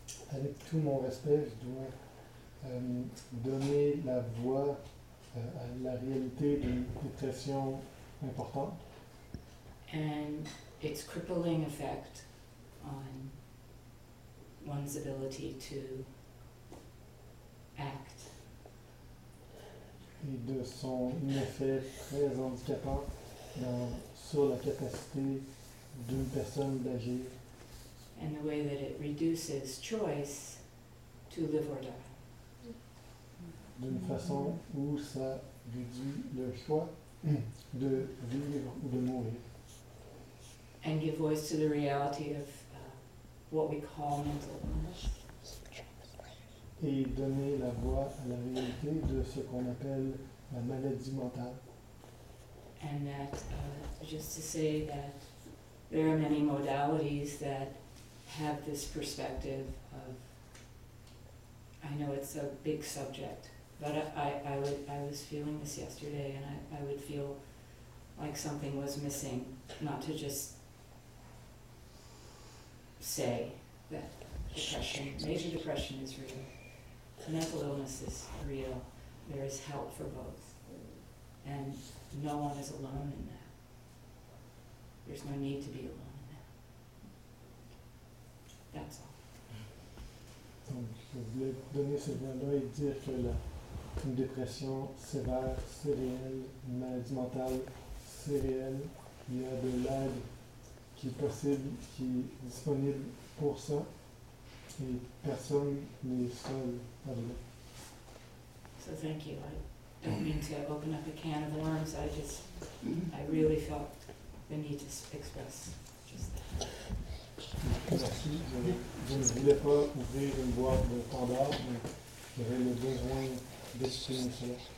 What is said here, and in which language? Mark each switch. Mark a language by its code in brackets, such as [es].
[fr] Avec tout mon respect, je dois donner la voix à la réalité d'une dépression importante. [en] And its crippling effect on one's ability to act. [fr] Et de son effet très handicapant dans, sur la capacité d'une personne d'agir. [en] And the way that it reduces choice to live or die. [fr] D'une façon où ça réduit le choix de vivre ou de mourir. [en] And give voice to the reality of what we call mental illness. [fr] Et donner la voix à la réalité de ce qu'on appelle la maladie mentale. [en] And that, just to say that there are many modalities that have this perspective of, I know it's a big subject, but I was feeling this yesterday, and I would feel like something was missing, not to just say that depression, major depression is real, mental illness is real, there is help for both, and no one is alone in that. There's no need to be alone. [fr] Donc, je voulais donner ce lien-là et dire que la, une dépression sévère, c'est réel, une maladie mentale, c'est réel. Il y a de l'aide qui est possible, qui est disponible pour ça, et personne n'est seul à l'aide. [en] So, thank you. I don't mean to open up a can of worms. I really felt the need to express just that. [fr] Merci. Je ne voulais pas ouvrir une boîte de Pandore, mais j'avais le besoin d'exprimer cela.